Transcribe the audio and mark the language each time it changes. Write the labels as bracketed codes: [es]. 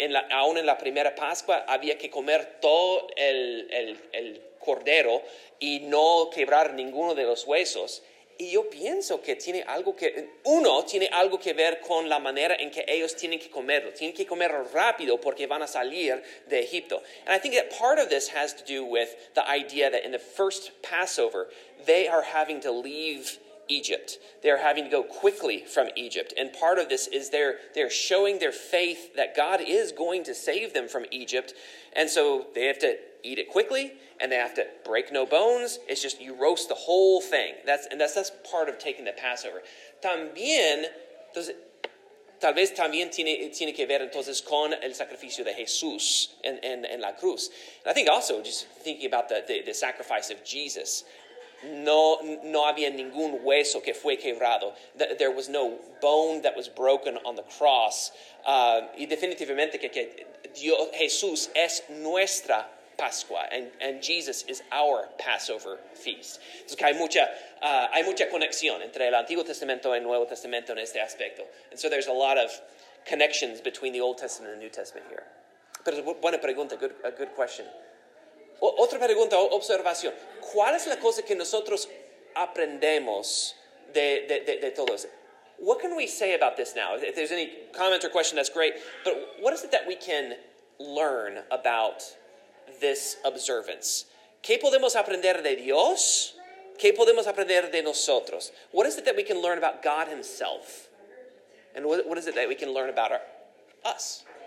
[es] Aún en la primera Pascua había que comer todo el cordero y no quebrar ninguno de los huesos. Y yo pienso que tiene algo que, uno, tiene algo que ver con la manera en que ellos tienen que comerlo. Tienen que comerlo rápido porque van a salir de Egipto. [en] And I think that part of this has to do with the idea that in the first Passover, they are having to leave Egypt. They are having to go quickly from Egypt. And part of this is they're showing their faith that God is going to save them from Egypt. And so they have to eat it quickly, and they have to break no bones. It's just you roast the whole thing. That's part of taking the Passover. [es] También, tal vez también tiene que ver entonces con el sacrificio de Jesús en la cruz. [en] And I think also just thinking about the sacrifice of Jesus. [es] No había ningún hueso que fue quebrado. [en] There was no bone that was broken on the cross. [es] Y definitivamente que Dios, Jesús es nuestra Pascua, [en] and Jesus is our Passover feast. [es] Entonces, hay mucha conexión entre el Antiguo Testamento y el Nuevo Testamento en este aspecto. [en] And so there's a lot of connections between the Old Testament and the New Testament here. [es] Pero es buena pregunta, [en] a good question. [es] Otra pregunta, observación. ¿Cuál es la cosa que nosotros aprendemos de todo esto? [en] What can we say about this now? If there's any comment or question, that's great. But what is it that we can learn about this observance? [es] ¿Qué podemos aprender de Dios? ¿Qué podemos aprender de nosotros? [en] What is it that we can learn about God himself? And what is it that we can learn about us?